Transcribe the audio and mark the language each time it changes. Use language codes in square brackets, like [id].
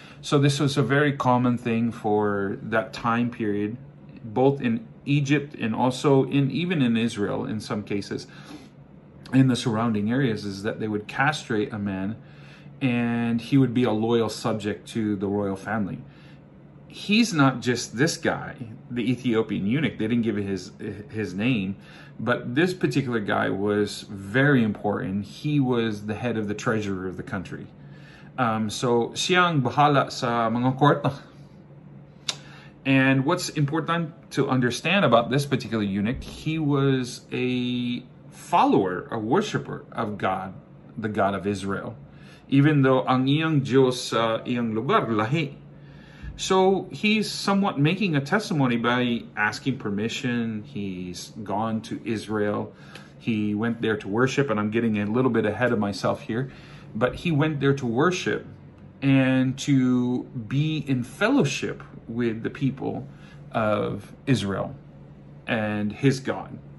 [en] So this was a very common thing for that time period, both in Egypt and also in even in Israel in some cases, in the surrounding areas, is that they would castrate a man and he would be a loyal subject to the royal family. He's not just this guy, the Ethiopian eunuch. They didn't give his name, but this particular guy was very important. He was the head of the treasurer of the country. [ceb] So siyang bahala sa mga korta. [en] And what's important to understand about this particular eunuch, he was a follower, a worshiper of God, the God of Israel. Even though [ceb] ang iyang Diyos sa iyang lugar, lahi. [en] So he's somewhat making a testimony by asking permission. He's gone to Israel. He went there to worship, and I'm getting a little bit ahead of myself here. But he went there to worship and to be in fellowship with the people of Israel and his God.